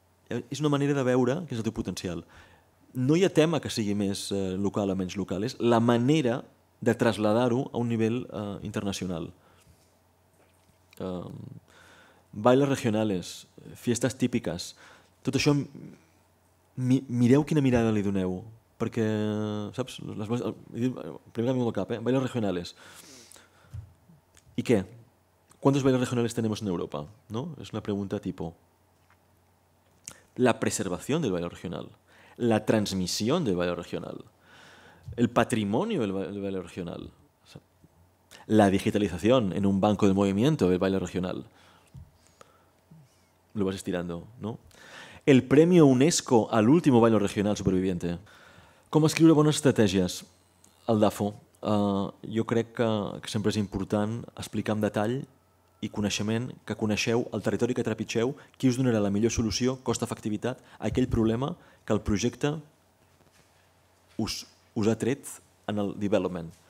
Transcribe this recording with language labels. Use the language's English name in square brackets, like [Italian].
[Catalan] És una manera de veure quin és el teu potencial. No hi ha tema que sigui més local o menys local, és la manera de traslladar-ho a un nivell internacional. [Spanish] Bailes regionales, [Catalan] fiestes típiques, tot això, mireu quina mirada li doneu, perquè, saps, primer que m'ho al cap, bailes regionales. I què? [Spanish] ¿Cuántos bailes regionales tenemos en Europa? [Catalan] No? És una pregunta tipo. La preservació del baile regional, [Spanish] la transmissió del baile regional, el patrimonio del baile regional, la digitalización en un banco de movimiento del baile regional, lo vas estirando, ¿no? El premio UNESCO al último baile regional superviviente. ¿Cómo escribir buenas estrategias? El DAFO. Yo creo que siempre es importante explicar en detalle y [Catalan] coneixement que coneixeu el territori que trepitgeu, qui us donarà la millor solució, cost-efectivitat, a aquell problema que el projecte us ha tret en el development.